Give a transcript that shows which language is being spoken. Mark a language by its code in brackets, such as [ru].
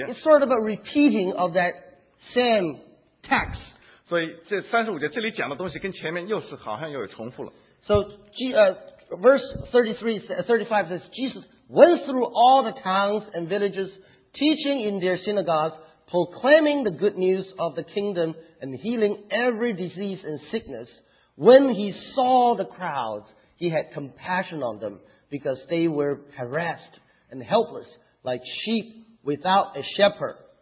[en] It's sort of a repeating of that same text. [zh] 所以这35节这里讲的东西跟前面又是好像又有重复了。 [en] So, Verse 35 says, Jesus went through all the towns and villages, teaching in their synagogues, proclaiming the good news of the kingdom, and healing every disease and sickness When he saw the crowds, he had compassion on them because they were harassed and helpless like sheep without a shepherd.